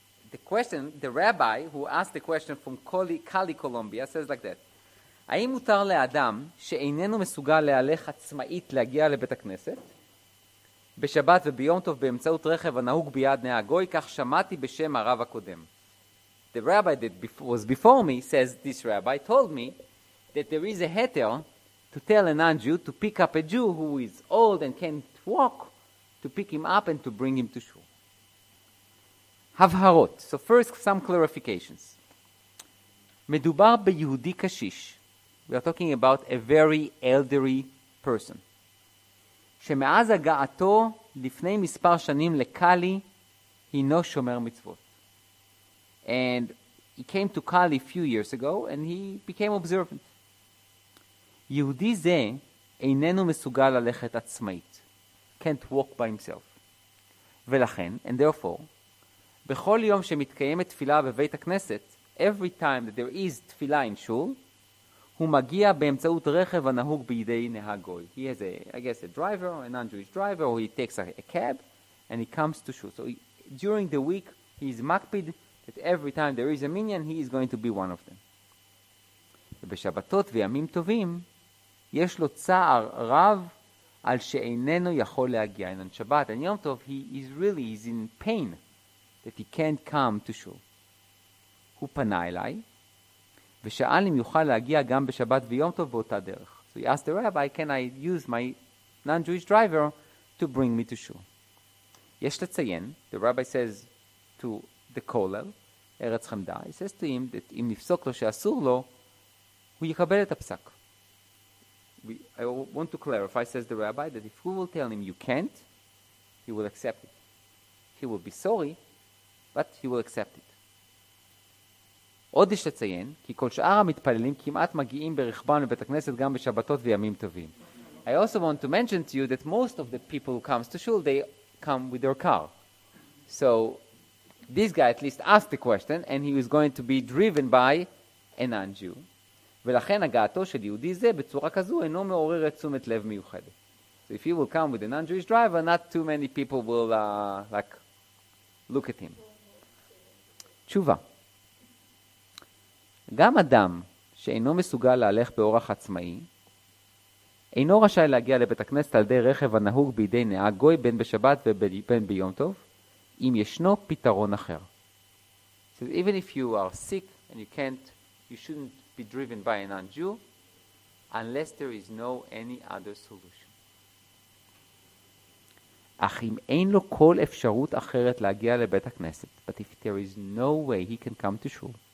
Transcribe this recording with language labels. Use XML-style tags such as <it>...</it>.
<en>the question, the rabbi who asked the question from Cali, Colombia, says like that.</en> <he>האם מותר לאדם שאיננו מסוגל להלך עצמאית להגיע לבית הכנסת בשבת וביום טוב באמצעות רכב הנהוג ביד נהגוי, כך שמעתי בשם הרב הקודם.</he> <en>The rabbi that was before me, says this rabbi, told me that there is a heter to tell a non-Jew to pick up a Jew who is old and can't walk, to pick him up and to bring him to shul.</en> <he>הבהרות.</he> <en>So first, some clarifications.</en> <he>מדובר ביהודי קשיש.</he> <en>We are talking about a very elderly person.</en> <he>שמאז הגעתו לפני מספר שנים לקלי, הינו שומר מצוות.</he> <en>And he came to Cali a few years ago and he became observant.</en> <he>יהודי זה איננו מסוגל ללכת עצמאית.</he> <en>Can't walk by himself.</en> <he>ולכן,</he> <en>and therefore,</en> <he>בכל יום שמתקיימת תפילה בבית הכנסת,</he> <en>every time that there is תפילה in shul,</en> <he>הוא מגיע באמצעות רכב הנהוג בידי נהג גוי.</he> <en>He has a, I guess, a driver, a non-Jewish driver, or he takes a cab, and he comes to shul. So he, during the week, he is makpid, that every time there is a minyan, he is going to be one of them.</en> <he>ובשבתות וימים טובים, יש לו צער רב על שאיננו יכול להגיע.</he> <en>And on Shabbat, and Yom Tov, he's in pain that he can't come to shul.</en> <he>הוא פנה אליי, ושאל אם יוכל להגיע גם בשבת ויום טוב באותה דרך.</he> <en>So he asked the rabbi, can I use my non-Jewish driver to bring me to shul?</en> <he>יש לציין,</he> <en>the rabbi says to the kollel, ארץ חמדה, he says to him that</en> <he>אם נפסוק לו שאסור לו, הוא יקבל את הפסק.</he> <en>I want to clarify, says the rabbi, that if we will tell him you can't, he will accept it. He will be sorry, but he will accept it.</en> <he>עוד יש לציין, כי כל שאר המתפללים כמעט מגיעים ברכבן לבית הכנסת גם בשבתות וימים טובים.</he> <en>I also want to mention to you that most of the people who comes to shul, they come with their car. So, this guy at least asked the question, and he was going to be driven by a non-Jew.</en> <he>ולכן הגעתו של יהודי זה בצורה כזו אינו מעורר את תשומת לב מיוחדת.</he> <en>So if he will come with a non-Jewish driver, not too many people will look at him.</en> <he>תשובה. גם אדם שאינו מסוגל להלך באורח עצמאי, אינו רשאי להגיע לבית הכנסת על די רכב הנהוג בידי נהג גוי בין בשבת ובין ביום טוב, אם ישנו פתרון אחר.</he> <en>So even if you are sick and you can't, you shouldn't be driven by a non-Jew, unless there is no any other solution.</en> <he>אך אם אין לו כל אפשרות אחרת להגיע לבית הכנסת,</he> <en>but if there is no way he can come to shul,</en>